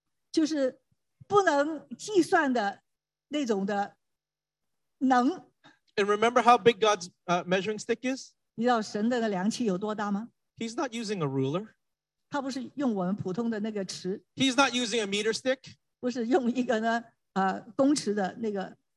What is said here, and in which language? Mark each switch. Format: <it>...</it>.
<zh>就是不能计算的那种的能.</zh> <en>And remember how big God's measuring stick is?</en> <zh>你知道神的量器有多大吗?</zh> <en>He's not using a ruler.</en> <zh>他不是用我们普通的那个尺.</zh> <en>He's not using a meter stick.</en> <zh>不是用一个呢, 公尺的那个,</zh>